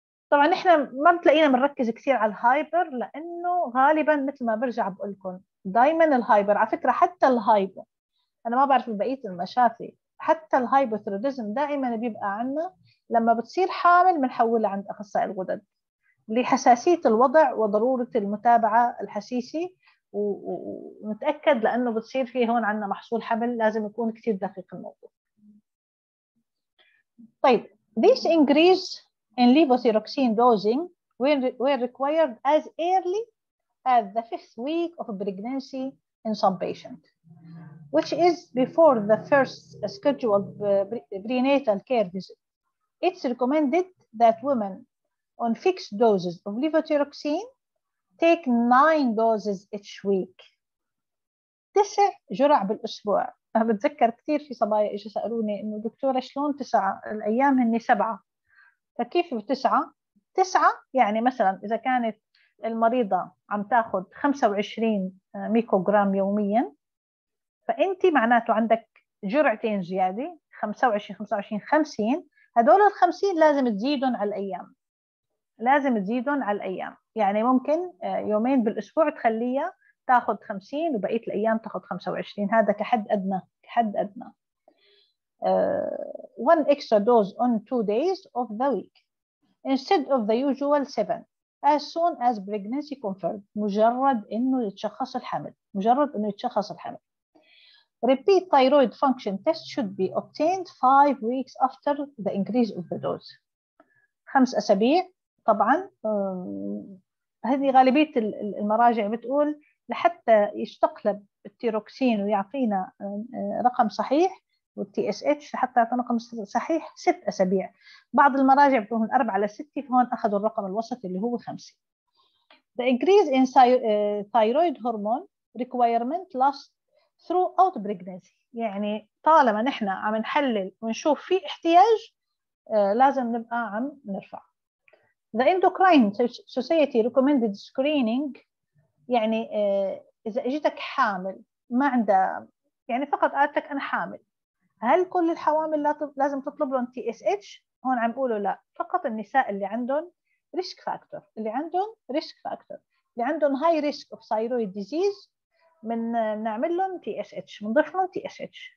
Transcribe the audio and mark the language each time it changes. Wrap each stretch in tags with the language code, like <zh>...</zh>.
<ar>طبعا احنا ما بتلاقينا بنركز كثير على الهايبر لأنه غالبا مثل ما برجع بقول لكم دائما الهايبر، على فكرة حتى الهايبر أنا ما بعرف بقية المشافي، حتى الهايبوثيرويدزم دائما بيبقى عندنا لما بتصير حامل بنحولها عند أخصائي الغدد لحساسية الوضع وضرورة المتابعة الحسيسي، ونتأكد لأنه بتصير فيه هون عندنا محصول حمل لازم يكون كتير دقيق الموضوع.</ar> <en>طيب this increase in levothyroxine dosing were required as early as the fifth week of pregnancy in some patients which is before the first scheduled prenatal care visit. It's recommended that women on fixed doses of levothyroxine take 9 doses each week.</en> <ar>9 جرع بالأسبوع. أنا بتذكر كثير في صبايا إجوا سألوني إنه دكتورة شلون 9 الأيام هني 7، فكيف 9؟ 9 يعني مثلا إذا كانت المريضة عم تاخذ 25 ميكروغرام يوميا فأنت معناته عندك جرعتين زيادة 25 25 50، هدول ال 50 لازم تزيدهم على الأيام، لازم تزيدهم على الأيام، يعني ممكن يومين بالأسبوع تخليها تاخد 50 وبقية الأيام تاخد 25، هذا كحد أدنى، كحد أدنى.</ar> <en>One extra dose on 2 days of the week instead of the usual 7 as soon as pregnancy confirmed.</en> <ar>مجرد إنه يتشخص الحمل، مجرد إنه يتشخص الحمل.</ar> <en>Repeat thyroid function test should be obtained 5 weeks after the increase of the dose.</en> <ar>5 أسابيع طبعا هذه غالبية المراجع بتقول لحتى يشتقلب التيروكسين ويعطينا رقم صحيح والتي اس اتش حتى يعطينا رقم صحيح 6 أسابيع، بعض المراجع بتقول من 4 إلى 6، فهون أخذوا الرقم الوسط اللي هو 5.</ar> <en>The increase in thyroid hormone requirement lasts throughout pregnancy.</en> <ar>يعني طالما نحن عم نحلل ونشوف في احتياج لازم نبقى عم نرفع.</ar> <en>The Endocrine Society recommended screening.</en> <ar>يعني إذا أجتك حامل ما عندها، يعني فقط قالتك أنا حامل، هل كل الحوامل لازم تطلب لهم TSH؟ هون عم بقولوا لا، فقط النساء اللي عندهم risk factor، اللي عندهم risk factor، اللي عندهم</ar> <en>high risk of thyroid disease</en> <ar>من نعمل لهم TSH، منضيف لهم TSH.</ar>